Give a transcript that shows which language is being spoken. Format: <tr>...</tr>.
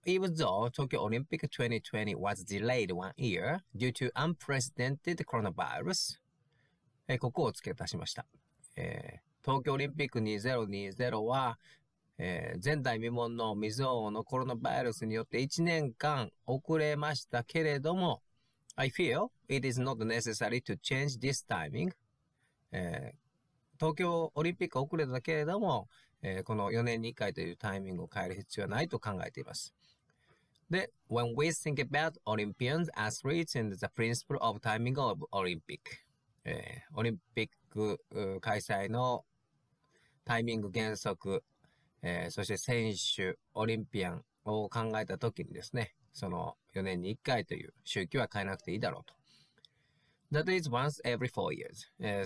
<en>Even though Tokyo Olympic 2020 was delayed 1 year due to unprecedented coronavirus,</en> <ja>ここを付け足しました。東京オリンピック2020は、前代未聞の未曾有のコロナウイルスによって1年間遅れましたけれども、</ja> <en>I feel it is not necessary to change this timing.</en> <ja>東京オリンピック遅れたけれども、この4年に1回というタイミングを変える必要はないと考えています。</ja> <en>で、When we think about Olympians, athletes, and the principle of timing of Olympic.</en> <ja>オリンピック開催のタイミング原則、そして選手、オリンピアンを考えたときにですね、その4年に1回という周期は変えなくていいだろうと。</ja> <en>That is once every 4 years.</en>